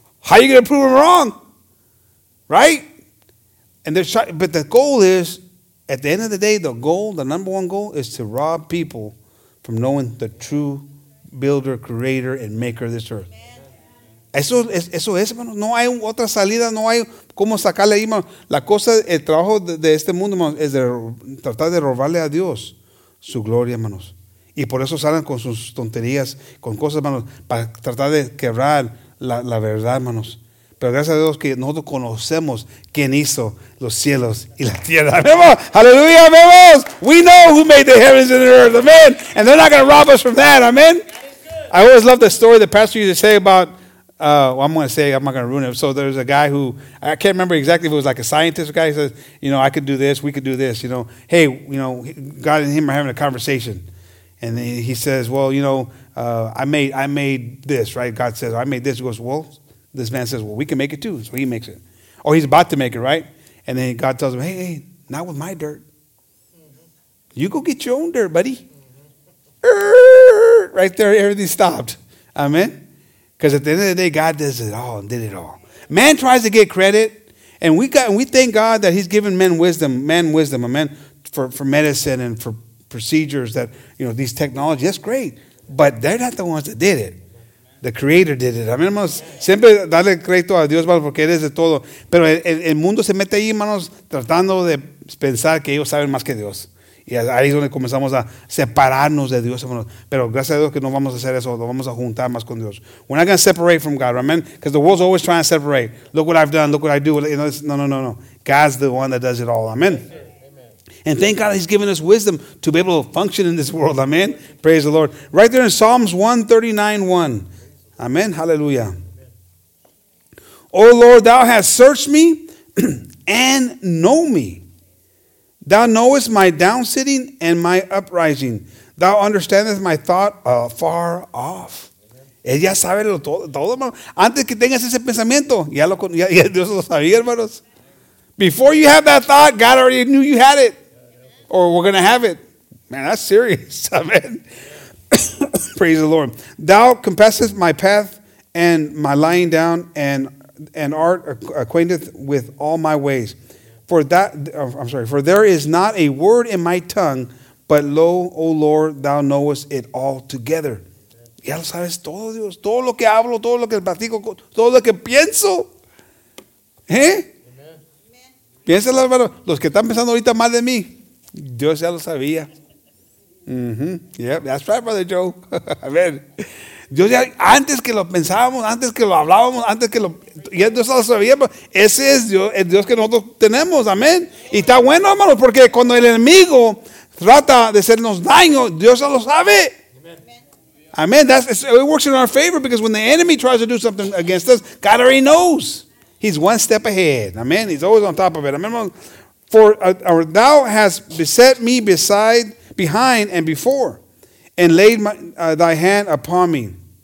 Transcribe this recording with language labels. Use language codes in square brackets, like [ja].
[en] How are you going to prove them wrong? Right? And but the goal is, at the end of the day, the number one goal is to rob people from knowing the true builder, creator, and maker of this earth. [es] Eso es, hermano. No hay otra salida. No hay cómo sacarle ahí, hermano. La cosa, el trabajo de este mundo, hermano, es de tratar de robarle a Dios su gloria, hermanos. Y por eso salen con sus tonterías, con cosas, hermanos, para tratar de quebrar la verdad, hermanos. Pero gracias a Dios que nosotros conocemos quién hizo los cielos y la tierra. ¡Aleluya, vemos! [en] We know who made the heavens and the earth. Amen. And they're not going to rob us from that. Amen. That I always love the story the pastor used to say about, I'm not going to ruin it. So there's a guy who, I can't remember exactly if it was like a scientist guy. He says, you know, I could do this, we could do this. You know, hey, you know, God and him are having a conversation. And he says, well, you know, I made this, right? God says, I made this. He goes, well, this man says, well, we can make it too. So he makes it. Or he's about to make it, right? And then God tells him, hey, not with my dirt. Mm-hmm. You go get your own dirt, buddy. Mm-hmm. Right there, everything stopped. Amen. Because at the end of the day, God does it all and did it all. Man tries to get credit. And we thank God that he's given men wisdom, amen, for medicine and for procedures that, you know, these technologies. That's great. But they're not the ones that did it. The creator did it. Amén, hermanos. [es] Siempre darle crédito a Dios, hermanos, porque eres de todo. Pero el mundo se mete ahí, hermanos, tratando de pensar que ellos saben más que Dios. Y ahí es donde comenzamos a separarnos de Dios, hermanos. Pero gracias a Dios que no vamos a hacer eso. Lo vamos a juntar más con Dios. [en] We're not going to separate from God, amen? Because the world's always trying to separate. Look what I've done. Look what I do. You know, no. God's the one that does it all. Amen. And thank God he's given us wisdom to be able to function in this world. Amen. Praise the Lord. Right there in Psalms 139:1. Amen. Hallelujah. Amen. Oh Lord, thou hast searched me and know me. Thou knowest my downsitting and my uprising. Thou understandest my thought afar off. [es] Él ya sabe todo, hermano. Antes que tengas ese pensamiento, ya Dios lo sabía, hermanos. [en] Before you have that thought, God already knew you had it. Or we're going to have it. Man, that's serious. Amen. Praise the Lord. Thou compassest my path and my lying down and art acquainted with all my ways. For there is not a word in my tongue, but lo, O Lord, thou knowest it all together. [es] Ya lo sabes todo, Dios. Todo lo que hablo, todo lo que platico, todo lo que pienso. ¿Eh? Piénsalo, hermano. Los que están pensando ahorita mal de mí, Dios ya lo sabía. Mm-hmm. [en] Yeah, that's right, [es] Brother Joe. Amen. Dios ya, antes que lo pensábamos, antes que lo hablábamos, antes que lo. Ya Dios lo sabía, pero ese es Dios, el Dios que nosotros tenemos. Amén. Y está bueno, hermano, porque cuando el enemigo trata de hacernos daño, Dios ya lo sabe. Amén. [en] It works in our favor because when the enemy tries to do something against us, God already knows. He's one step ahead. Amén. He's always on top of it. Amén. For thou hast beset me behind and before, and laid thy hand upon me.